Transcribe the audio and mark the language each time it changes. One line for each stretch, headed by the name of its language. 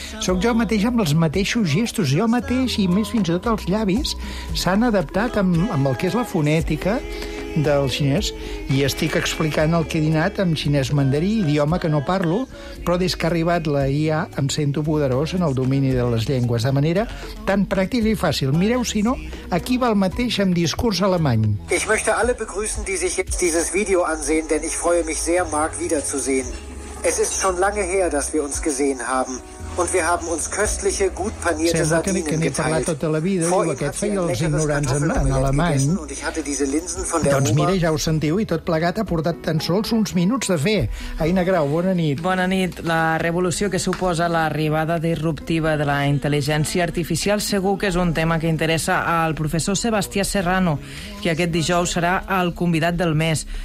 Catalan: Soc jo mateix amb els mateixos gestos, jo mateix i més fins i tot els llavis s'han adaptat amb el que és la fonètica del xinès i estic explicant el que he dinat en xinès mandarí, idioma que no parlo, però des que ha arribat la IA em sento poderós en el domini de les llengües de manera tan pràctica i fàcil. Mireu, si no, aquí va el mateix amb discurs alemany.
German: Ich möchte alle begrüßen, die sich jetzt dieses Video ansehen, denn ich freue mich sehr, Mark wiederzusehen. Es ist schon lange her, dass wir uns gesehen haben. Und wir haben uns köstliche, gut panierte Sardinen geteilt.
Catalan: Sembla que n'he parlat tota la vida, diu aquest, feia els ignorants en alemany. Doncs mira, ja ho sentiu, i tot plegat ha portat tan sols uns minuts de fer. Aina Grau, bona nit. Bona nit. La revolució que suposa l'arribada disruptiva de la intel·ligència artificial segur que és un tema que interessa al professor Sebastià Serrano, que aquest dijous serà el convidat del mes.